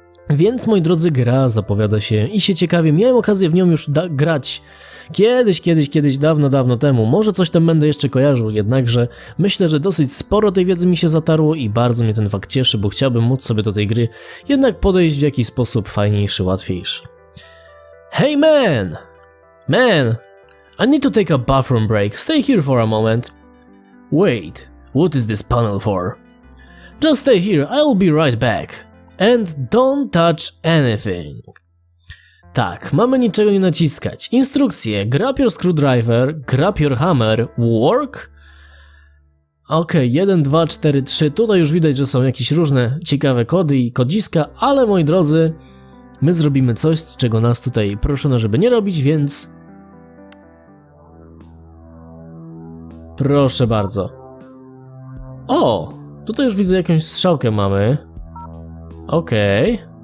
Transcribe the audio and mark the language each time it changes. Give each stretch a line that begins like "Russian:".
Polish: Więc, moi drodzy, gra zapowiada się i się ciekawie. Miałem okazję w nią już grać kiedyś, dawno, dawno temu. Może coś tam będę jeszcze kojarzył, jednakże myślę, że dosyć sporo tej wiedzy mi się zatarło i bardzo mnie ten fakt cieszy, bo chciałbym móc sobie do tej gry jednak podejść w jakiś sposób fajniejszy, łatwiejszy.
English: Hey man! Man! I need to take a bathroom break. Stay here for a moment. Wait, what is this panel for? Just stay here, I'll be right back. And don't touch anything.
Polish: Tak, mamy niczego nie naciskać. Instrukcje.
English: Grab your screwdriver, grab your hammer, work.
Polish: Okej, 1, 2, 4, 3. Tutaj już widać, że są jakieś różne ciekawe kody i kodziska, ale moi drodzy, my zrobimy coś, czego nas tutaj proszono, żeby nie robić, więc... Proszę bardzo. O, tutaj już widzę jakąś strzałkę mamy. Okej.